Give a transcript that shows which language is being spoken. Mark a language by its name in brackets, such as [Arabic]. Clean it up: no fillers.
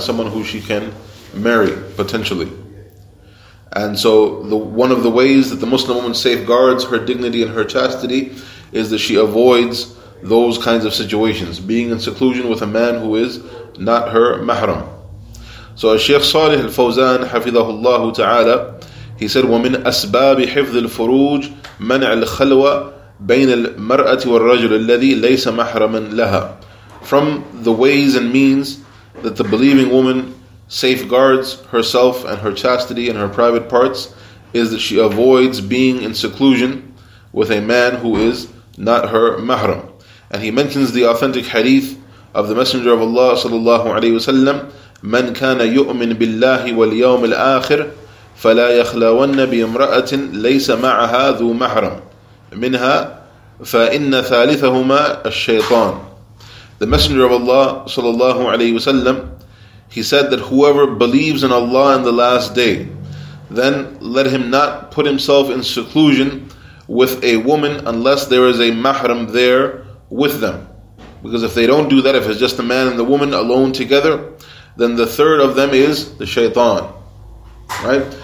[English] Someone who she can marry, potentially. And so one of the ways that the Muslim woman safeguards her dignity and her chastity is that she avoids those kinds of situations, being in seclusion with a man who is not her mahram. So as Shaykh Salih al-Fawzan, hafidhahullahu ta'ala, he said, [Arabic] وَمِنْ أَسْبَابِ حِفْظِ الْفُرُوجِ مَنْعِ الْخَلْوَ بَيْنَ الْمَرْأَةِ وَالرَّجُلِ الَّذِي لَيْسَ مَحْرَمًا لَهَا. [English] From the ways and means that the believing woman safeguards herself and her chastity and her private parts is that she avoids being in seclusion with a man who is not her mahram. And he mentions the authentic hadith of the Messenger of Allah sallallahu alayhi wasallam, [Arabic] من كان يؤمن بالله واليوم الآخر فلا يخلون بامرأة ليس معها ذو محرم منها فإن ثالثهما الشيطان. [English] The Messenger of Allah sallallahu alayhi wasallam, he said that whoever believes in Allah and the last day, then let him not put himself in seclusion with a woman unless there is a mahram there with them. Because if they don't do that, if it's just the man and the woman alone together, then the third of them is the shaitan. Right?